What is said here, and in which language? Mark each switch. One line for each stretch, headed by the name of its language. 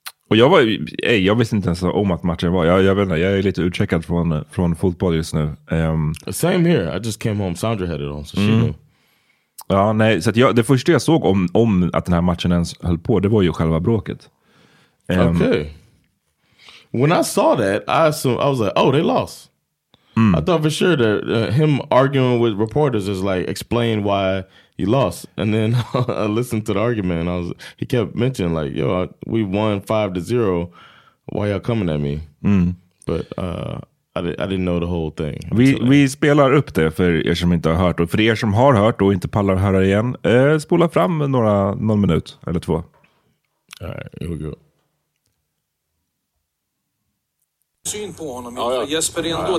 Swedish: Och jag var, jag visste inte ens om att matchen var. Jag vet inte, jag är lite utcheckad från fotboll just nu.
English: Same here, I just came home, Sandra had it on, so she knew.
Swedish: Ja, nej, så att det första jag såg om att den här matchen ens höll på, det var ju själva bråket.
English: Okay. When I saw that, I was like, oh, they lost. I thought for sure that him arguing with reporters is like, explain why he lost. And then I listened to the argument and he kept mentioning like, yo, we won 5-0. Why y'all coming at me? Mm. But I didn't know the whole thing.
Swedish: Vi spelar upp det för er som inte har hört. Och för er som har hört och inte pallar höra igen, spola fram någon minut eller två.
English: All right, here we go.
Swedish: Syn på honom. Jesper ändå.